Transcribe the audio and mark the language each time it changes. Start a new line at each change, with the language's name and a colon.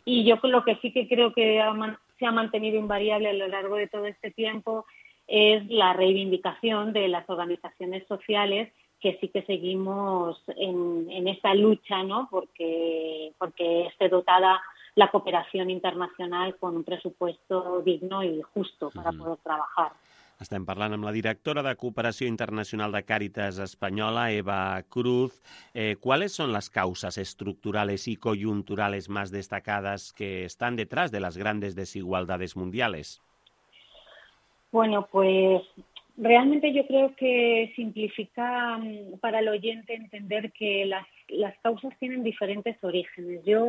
Spanish: Y yo lo que sí que creo que se ha mantenido invariable a lo largo de todo este tiempo es la reivindicación de las organizaciones sociales, que sí que seguimos en esta lucha, ¿no? Porque esté dotada la cooperación internacional con un presupuesto digno y justo para poder trabajar.
Catalan: Estem parlant amb la directora de Cooperació Internacional de Càritas Espanyola, Eva Cruz.
Spanish: ¿Cuáles son las causas estructurales y coyunturales más destacadas que están detrás de las grandes desigualdades mundiales? Bueno, pues realmente yo creo que simplifica para el oyente entender que las causas tienen diferentes orígenes.